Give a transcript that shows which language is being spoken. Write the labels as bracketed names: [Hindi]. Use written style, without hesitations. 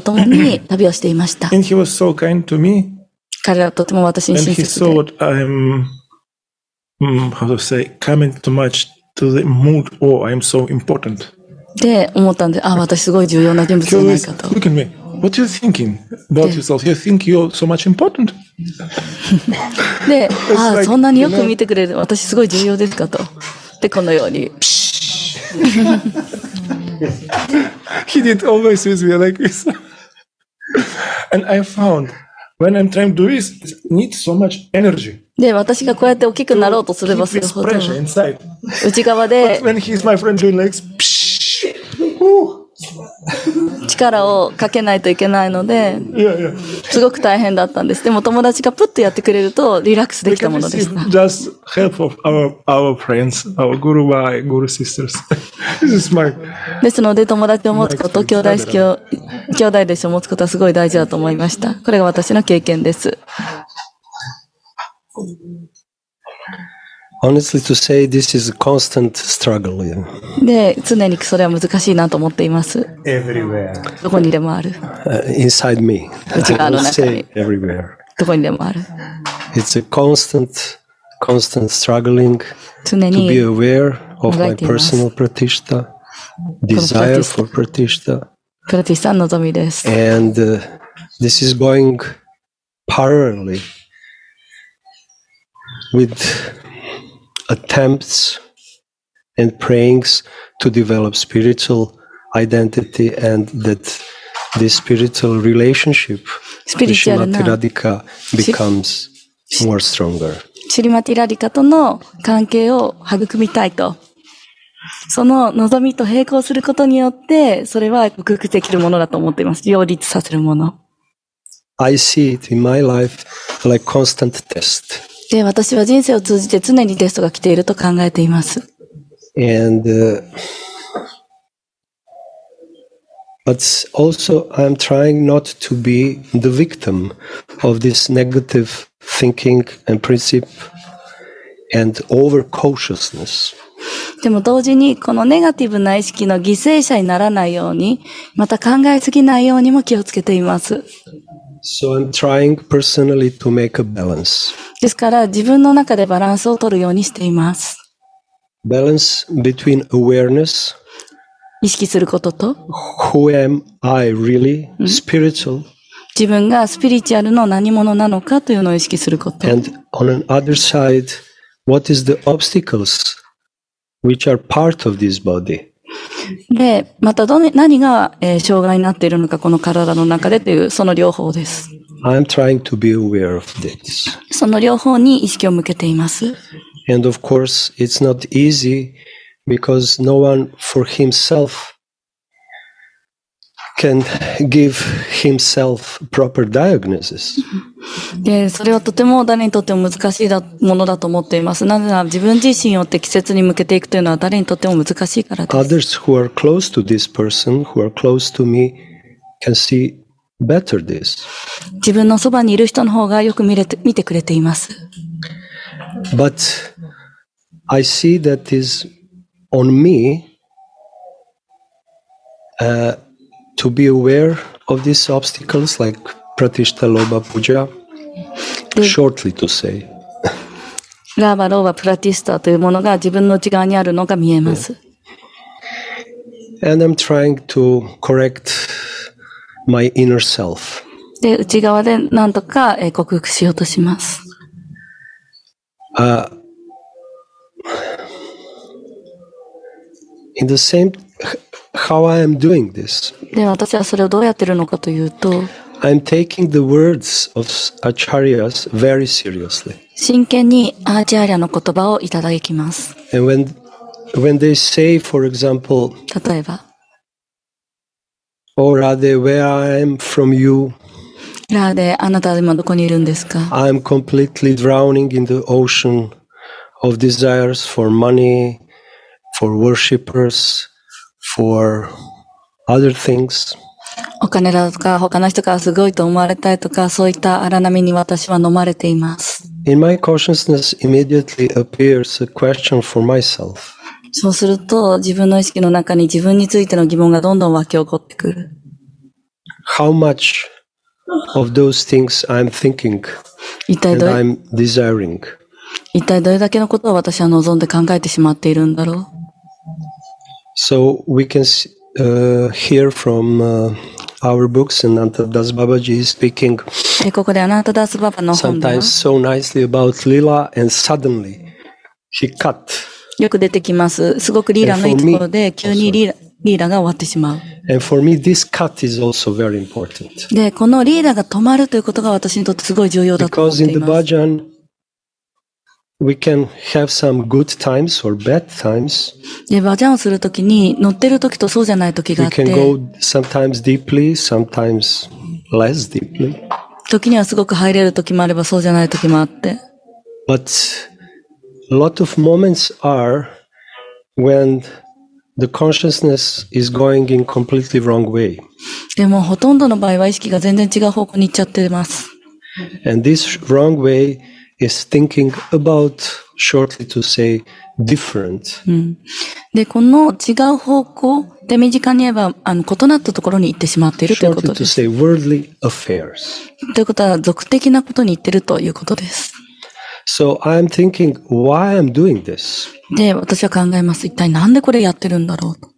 [Japanese] 共に旅をしていました。 [English] And he was so kind to me. [Japanese] 彼はとても私に親切で。 [English] And he saw what I'm, how to say, coming too much to the mood, or I'm so important. [Japanese] で、思ったんで、あ、私すごい重要な人物じゃないかと。 [English] Look at me. What are you thinking about yourself? You think you're so much important? [Japanese] で、ああ、そんなによく見てくれる、私すごい重要ですかと。で、このように。 [English] He did always with me like this. And I found, when I'm trying to do this, it needs so much energy. [Japanese] で、私がこうやって大きくなろうとすればするほど。 [English] Keep this pressure inside. [Japanese] 内側で。 [English] But when he's my friend doing like this, pshhh, whoo. [Japanese] 力をかけないといけないので、 yeah, yeah. すごく大変だったんです。でも友達がプッとやってくれるとリラックスできたものでした。 [English] Just help of our friends, our guru wife, guru sisters. This is my. [Japanese] ですので友達を持つこと、兄弟式を兄弟弟子を持つことはすごい大事だと思いました。これが私の経験です。 [English] Honestly to say, this is a constant struggle. Yeah. [Japanese] で、常にそれは難しいなと思っています。 [English] Everywhere. [Japanese] どこにでもある。 [English] Inside me. [Japanese] 内側の中に。 [English] I will say everywhere. [Japanese] どこにでもある。 [English] It's a constant struggling. [Japanese] 常に。 [English] To be aware of my personal pratishtha, desire for pratishtha. [Japanese] Pratishtha の望みです。 [English] And this is going parallelly with attempts and prayings to develop spiritual identity and that this spiritual relationship with Srimati Radhika becomes more stronger. [Japanese] Srimati Radhika との関係を育みたいと。その望みと並行することによって、それは克服できるものだと思っています。両立させるもの。 [English] I see it in my life like constant test. [Japanese] で、私は人生を通じて常にテストが来ていると考えています。 [English] And, but also I'm trying not to be the victim of this negative thinking and principle and overcautiousness. [Japanese] でも同時にこのネガティブな意識の犠牲者にならないように、また考えすぎないようにも気をつけています。 [English] So I'm trying personally to make a balance. [Japanese] ですから自分の中でバランスを取るようにしています。 [English] Balance between awareness. [Japanese] 意識することと。 [English] Who am I really? Spiritual. [Japanese] 自分がスピリチュアルの何者なのかというのを意識すること。 [English] And on another side, what is the obstacles which are part of this body? [Japanese] で、また何が、障害になっているのか、この体の中でという、その両方です。 [English] I'm trying to be aware of this. [Japanese] その両方に意識を向けています。 [English] And of course, it's not easy because no one for himself can give himself proper diagnosis. [Japanese] で、それはとても誰にとっても難しいものだと思っています。なぜなら自分自身を適切に向けていくというのは誰にとっても難しいからです。 [English] Others who are close to this person, who are close to me, can see better this. [Japanese] 自分のそばにいる人の方がよく見てくれています。 [English] But I see that is on me, to be aware of these obstacles like pratishtha lobha puja shortly to say [Japanese] lobha lobha pratishtha というものが自分の内側にあるのが見えます、 yeah. [English] and I'm trying to correct my inner self [Japanese] で内側で何とか克服しようとします、 [English] in the same how I am doing this [Japanese] で、私はそれをどうやってるのかというと、 [English] I'm taking the words of Acharyas very seriously. [Japanese] 真剣にアーチャリアの言葉をいただきます。 [English] And when they say, for example, [Japanese] 例えば、 [English] Oh, Radhe, where I am from you? [Japanese] ラーデ、あなたは今どこにいるんですか? [English] I'm completely drowning in the ocean of desires for money, for worshippers, for... Other things. [Japanese] お金だとか他の人からすごいと思われたいとかそういった荒波に私は飲まれています。 [English] In my consciousness immediately appears a question for myself. [Japanese] そうすると、自分の意識の中に自分についての疑問がどんどん湧き起こってくる。 [English] How much of those things I'm thinking and I'm desiring? [Japanese] 一体どれだけのことを私は望んで考えてしまっているんだろう。 [English] So we can hear from our books and Anantadas Babaji speaking. [Japanese] ここでアナンタダスババの本で。 [English] Sometimes so nicely about Lila, and suddenly he cut. [Japanese] よく出てきます。すごくリーラのいいところで急にリーラが終わってしまう。 [English] And for me, this cut is also very important. [Japanese] で、このリーラが止まるということが私にとってすごい重要だと思っています。 [English] Because in the Bhajan, we can have some good times or bad times. [Japanese] で、バジャンをするときに乗ってるときとそうじゃないときがあって。 [English] We can go sometimes deeply, sometimes less deeply. [Japanese] 時にはすごく入れるときもあればそうじゃないときもあって。 [English] But a lot of moments are when the consciousness is going in completely wrong way. [Japanese] でもほとんどの場合は意識が全然違う方向に行っちゃってます。 [English] And this wrong way is thinking about, shortly to say, different. [Japanese] で、この違う方向で身近に言えば、異なったところに行ってしまっているということです。 [English] Shortly to say, worldly affairs. [Japanese] ということは、俗的なことに行ってるということです。 [English] So I'm thinking why I'm doing this. [Japanese] で、私は考えます。一体なんでこれやってるんだろうと。